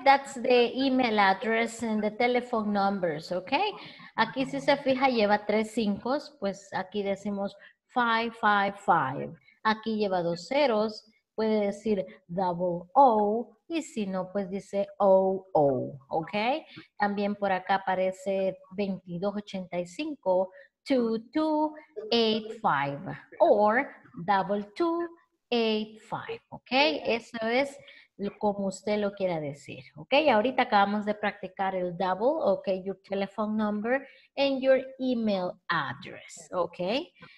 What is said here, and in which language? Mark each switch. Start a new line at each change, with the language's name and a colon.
English: That's the email address and the telephone numbers, okay?
Spanish: Aquí si se fija lleva tres cinco, pues aquí decimos 555. Aquí lleva dos ceros, puede decir 00, y si no, pues dice 00, okay? También por acá aparece 2285, 2285, or 2285, okay? Eso es como usted lo quiera decir, okay? Ahorita acabamos de practicar el double, okay?
English: Your telephone number and your email address, okay?